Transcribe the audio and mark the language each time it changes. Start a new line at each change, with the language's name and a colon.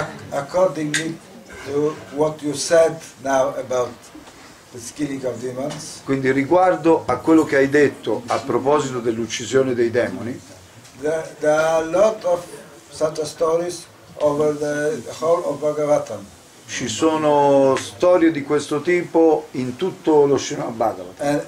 English: According to what you said now about the killing of demons.
Italian: Quindi riguardo a quello che hai detto a proposito dell'uccisione dei demoni.
English: There are a lot of such stories over the whole of Bhagavatam.
Italian: Ci sono storie di questo tipo in tutto lo Srimad Bhagavatam.